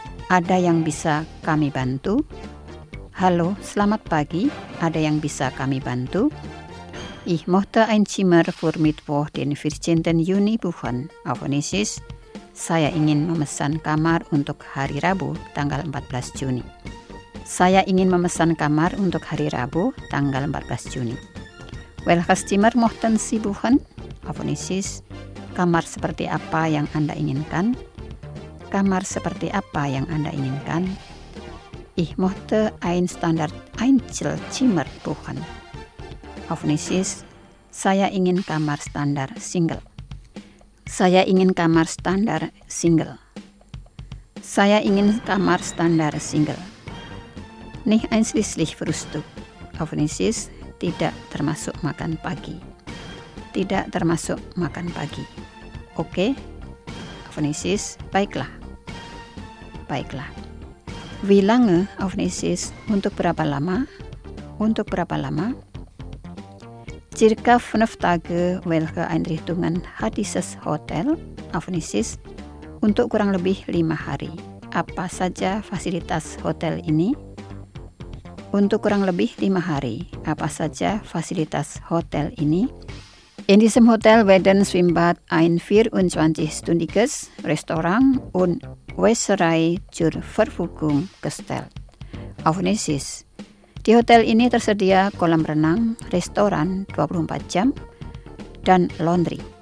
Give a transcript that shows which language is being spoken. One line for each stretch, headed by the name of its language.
Indonesian: Ada yang bisa kami bantu? Halo, selamat pagi. Ada yang bisa kami bantu?
German: Ich möchte ein Zimmer für Mittwoch den 14. Juni buchen. Auf Indonesisch.
Indonesian: Saya ingin memesan kamar untuk hari Rabu, tanggal 14 Juni. Saya ingin memesan kamar untuk hari Rabu, tanggal 14 Juni.
German: Welches Zimmer möchten Sie buchen? Auf Indonesisch.
Indonesian: Kamar seperti apa yang Anda inginkan? Kamar seperti apa yang Anda inginkan?
German: Ich möchte ein Standard Einzelzimmer buchen. Auf Indonesisch.
Indonesian: Saya ingin kamar standar single. Saya ingin kamar standar single. Saya ingin kamar standar single.
German: Nicht einschließlich Frühstück. Auf Indonesisch.
Indonesian: Tidak termasuk makan pagi. Tidak termasuk makan pagi.
German: Oke. Auf Indonesisch.
Indonesian: Baiklah. Baiklah.
German: Wie lange auf Nisi ist
Indonesian: untuk berapa lama? Untuk berapa lama?
German: Circa 5 Tage, welche Einrichtungen hat dieses Hotel auf Nisi ist
Indonesian: untuk kurang lebih 5 hari? Apa saja fasilitas hotel ini? Untuk kurang lebih 5 hari, apa saja fasilitas hotel ini?
German: In diesem Hotel werden Schwimmbad ein 24-stündiges Restaurant und Wäscherei zur Verfügung gestellt. Auf Nisis.
Indonesian: Di hotel ini tersedia kolam renang, restoran 24 jam, dan laundry.